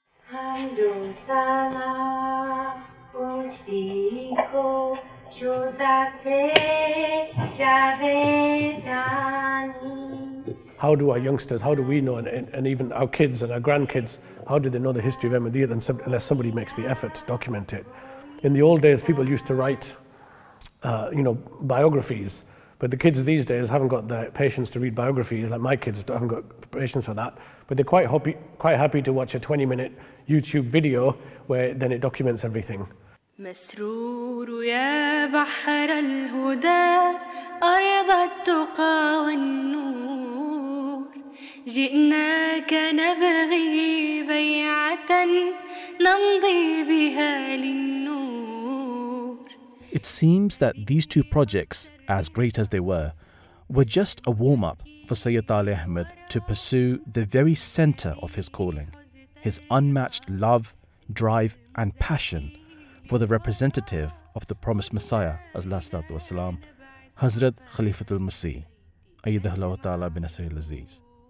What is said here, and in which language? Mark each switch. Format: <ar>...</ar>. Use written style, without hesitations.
<en>How do our youngsters, how do we know, and even our kids and our grandkids, how do they know the history of Ahmadiyya unless somebody makes the effort to document it? In the old days, people used to write, biographies, but the kids these days haven't got the patience to read biographies, like my kids haven't got patience for that, but they're quite happy to watch a 20-minute YouTube video where then it documents everything.</en> <ar>مسرور يا بحر الهدى أرض التقى والنور جئناك نبغي بيعة نمضي بها للنور.</ar> <en>It seems that these two projects, as great as they were just a warm-up for Syed Taalay Ahmed to pursue the very center of his calling, his unmatched love, drive and passion for the representative of the promised Messiah, والسلام, Hazrat Khalifatul Masih, Ayyidah Allah Ta'ala bin Asri al-Aziz.</en>